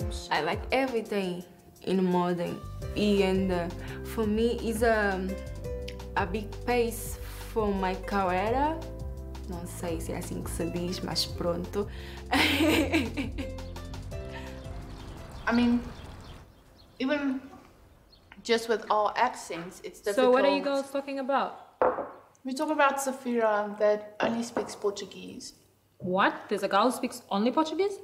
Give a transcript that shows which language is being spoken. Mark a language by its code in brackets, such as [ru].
[en] I like everything in modern. And for me, it's a big pace for my career. [pt] Não sei se é assim que se diz, mas pronto. [en] I mean, even just with all accents, it's difficult. So what are you girls talking about? We talk about Safira that only speaks Portuguese. What? There's a girl who speaks only Portuguese?